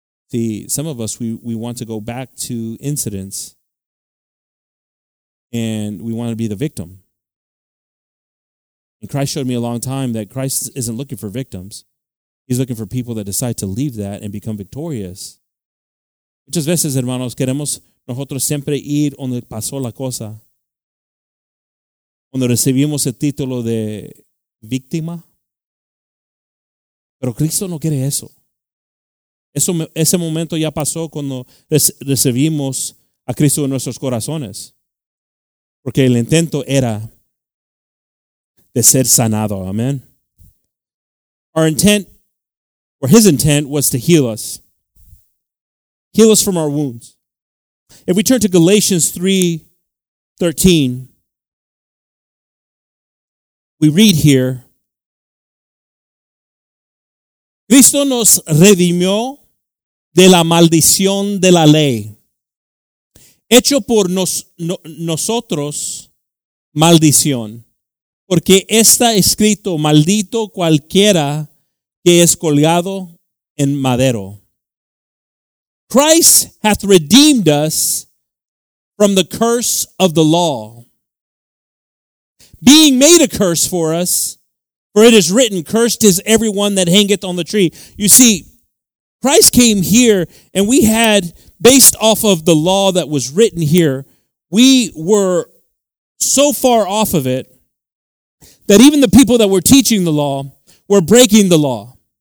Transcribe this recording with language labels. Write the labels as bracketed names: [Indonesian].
[English] See, some of us, we want to go back to incidents and we want to be the victim. And Christ showed me a long time that Christ isn't looking for victims. He's looking for people that decide to leave that and become victorious. [Spanish] Muchas veces, hermanos, queremos nosotros siempre ir donde pasó la cosa. Cuando recibimos el título de víctima. Pero Cristo no quiere eso. Eso, ese momento ya pasó cuando recibimos a Cristo en nuestros corazones. Porque el intento era de ser sanado. Amén. [English] Our intent, or his intent, was to heal us. Heal us from our wounds. If we turn to Galatians 3:13, we read here, [Spanish] Cristo nos redimió de la maldición de la ley, hecho por nosotros maldición, porque está escrito, maldito cualquiera que es colgado en madero. [English] Christ hath redeemed us from the curse of the law, being made a curse for us, for it is written, cursed is everyone that hangeth on the tree. You see, Christ came here, and we had, based off of the law that was written here, we were so far off of it that even the people that were teaching the law were breaking the law.